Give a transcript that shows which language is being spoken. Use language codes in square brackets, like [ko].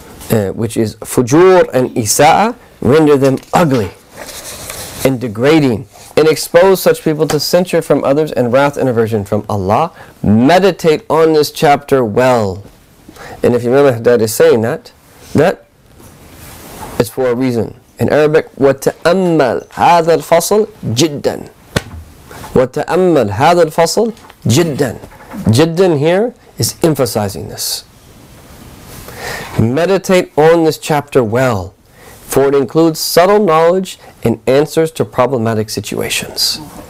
[en] which is fujur and isa'a, render them ugly and degrading, and expose such people to censure from others and wrath and aversion from Allah. Meditate on this chapter well. And if you remember, Haddad is saying that, that is for a reason. In Arabic, [ar] وَتَأَمَّلْ هَذَا الْفَصْلِ جِدًّا. وَتَأَمَّلْ هَذَا الْفَصْلِ جِدًّا. [en] جِدًّا here is emphasizing this. Meditate on this chapter well, for it includes subtle knowledge and answers to problematic situations.